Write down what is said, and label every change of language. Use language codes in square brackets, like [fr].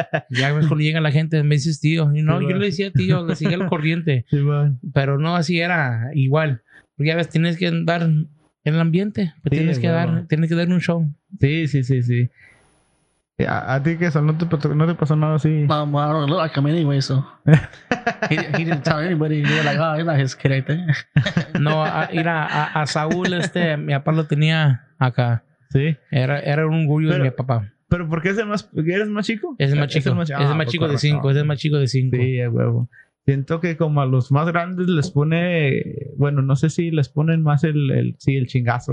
[es] Ya mejor llega la gente, me dices tío. Y no, sí, yo le decía tío, le seguía el corriente. Sí, pero no, así era igual. Porque ya ves, tienes que andar en el ambiente, pues sí, tienes que dar un show. Sí. A ti que son, no te pasó nada así. [en] No, I don't look like him anyway, so. he didn't tell anybody. He was like, oh, he's not his kid, I think. [es] No, mira, a Saúl, mi papá lo tenía acá. Sí. Era un orgullo de mi papá. Pero ¿por qué es el más, eres más chico? Es el más chico. Es el más chico de cinco. Sí, a huevo. Siento que como a los más grandes les pone, bueno, no sé si les ponen más el chingazo.